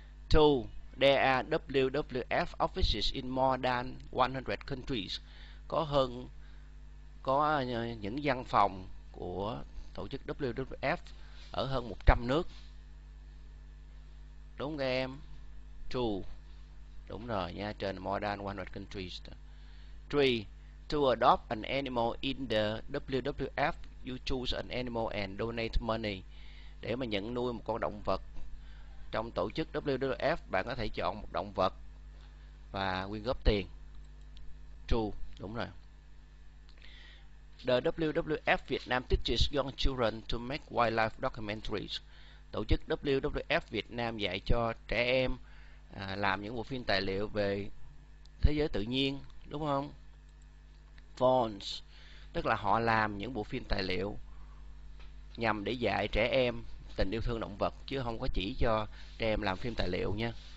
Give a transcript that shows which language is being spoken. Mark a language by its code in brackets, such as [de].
[en] Two, there are WWF offices in more than 100 countries. [vi] Có những văn phòng của tổ chức WWF ở hơn 100 nước. Đúng không em? True. Đúng rồi nha, trên [en] more than 100 countries. [vi] 3. [en] To adopt an animal in the WWF, you choose an animal and donate money. [vi] Để mà nhận nuôi một con động vật trong tổ chức WWF, bạn có thể chọn một động vật và quyên góp tiền. [en] True. [vi] Đúng rồi. [en] The WWF Vietnam teaches young children to make wildlife documentaries. [vi] Tổ chức WWF Việt Nam dạy cho trẻ em làm những bộ phim tài liệu về thế giới tự nhiên, đúng không? Fawns, tức là họ làm những bộ phim tài liệu nhằm để dạy trẻ em tình yêu thương động vật, chứ không có chỉ cho trẻ em làm phim tài liệu nha.